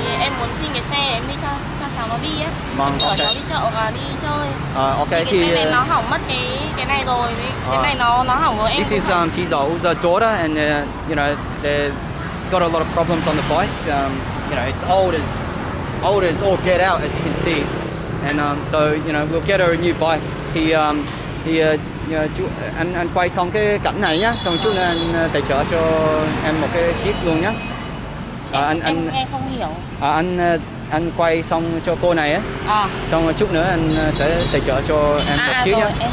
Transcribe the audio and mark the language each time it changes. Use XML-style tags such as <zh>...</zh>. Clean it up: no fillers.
<vi>Thì em muốn xin cái xe em đi cho cháu nó đi á. Vâng, chở cháu đi chợ và đi chơi.</vi> <en>Okay,</en> <vi>thì cái xe này nó hỏng mất cái này rồi. Cái này nó hỏng rồi em.</vi> <en>This is Chi Dậu's daughter and you know they've got a lot of problems on the bike. You know it's old as all get out as you can see. And so you know we'll get her a new bike.</en> <vi>Anh quay xong cái cảnh này nhá, xong chút nữa anh tài trợ cho em một cái chip luôn nhá. Anh nghe không hiểu. Anh anh quay xong cho cô này ấy. À. Xong rồi chút nữa anh sẽ tài trợ cho em một chiếc nhá.</vi>